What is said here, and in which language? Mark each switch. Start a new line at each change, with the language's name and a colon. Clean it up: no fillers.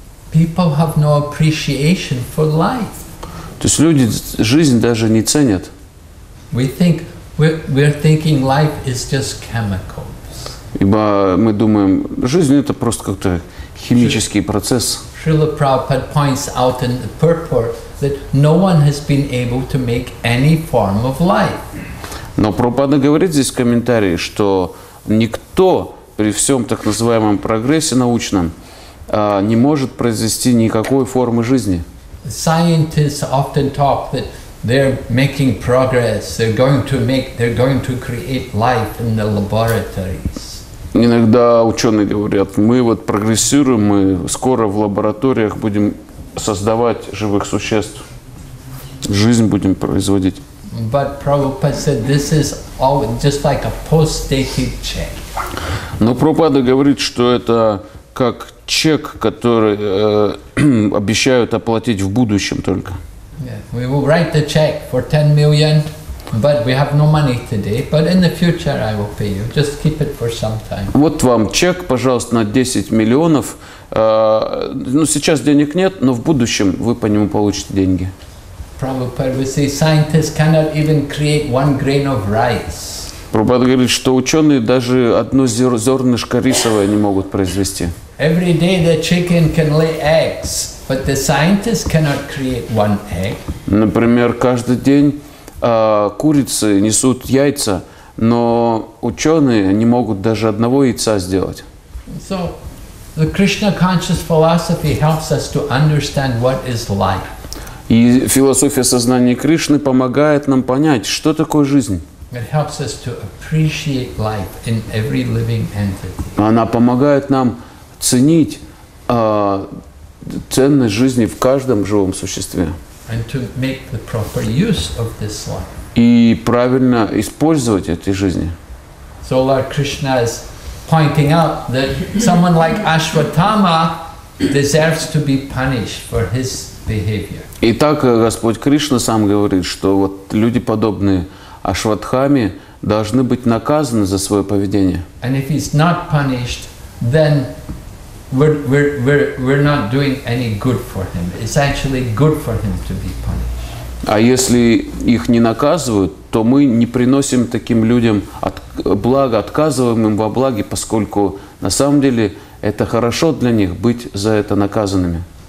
English: People have no appreciation for life.
Russian: То есть люди жизнь даже не ценят.
English: We're thinking life is just chemicals.
Russian: Ибо мы думаем, жизнь — это просто как-то химический процесс.
English: Srila Prabhupada points out in the purport that no one has been able to make any form of life.
Russian: Но Прабхупада говорит здесь в комментарии, что никто при всем так называемом прогрессе научном не может произвести никакой формы жизни.
English: Scientists often talk that they're making progress, they're going to create life in the laboratories.
Russian: Иногда ученые говорят: мы вот прогрессируем, мы скоро в лабораториях будем создавать живых существ, жизнь будем производить.
English: But Prabhupada said this is all just like a post-dated check.
Russian: Но Прабхупада говорит, что это как чек, который обещают оплатить в будущем только.
English: Yeah. We will write the check for 10 million, but we have no money today. But in the future I will pay you. Just keep it for some time.
Russian: Вот вам чек, пожалуйста, на 10 миллионов. Ну, сейчас денег нет, но в будущем вы по нему получите деньги.
English: Prabhupada would say scientists cannot even create one grain of rice.
Russian: Прабхупада говорит, что ученые даже одно зернышко рисовое не могут произвести.
English: Every day the chicken can lay eggs, but the scientist cannot create one egg.
Russian: Например, каждый день курицы несут яйца, но ученые не могут даже одного яйца сделать.
English: So, the Krishna conscious philosophy helps us to understand what is life.
Russian: И философия сознания Кришны помогает нам понять, что такое жизнь.
English: It helps us to appreciate life in every living entity.
Russian: Она помогает нам ценить ценность жизни в каждом живом существе.
English: And to make the proper use of this life.
Russian: И правильно использовать эти жизни.
English: So Lord Krishna is pointing out that someone like Ashwatthama deserves to be punished for his behavior.
Russian: И так Господь Кришна сам говорит, что вот люди подобные Ашватхаме должны быть наказаны за свое поведение.
English: And if he's not punished, then we're not doing any good for him. It's actually good for him to be punished.
Russian: А если их не наказывают, то мы не приносим таким людям блага, отказываем им во благе, поскольку на самом деле это хорошо для них быть за это наказанными.